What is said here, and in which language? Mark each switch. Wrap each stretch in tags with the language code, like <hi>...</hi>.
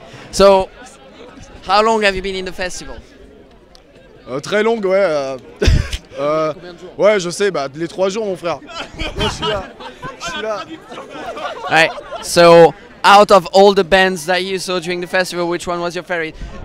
<en>So, how long have you been in the festival?</en> <fr>Très long, ouais. Ouais, je sais, bah, les 3 jours, mon frère. Je suis là.</fr> <en>Right. So, out of all the bands that you saw during the festival, which one was your favorite?</en>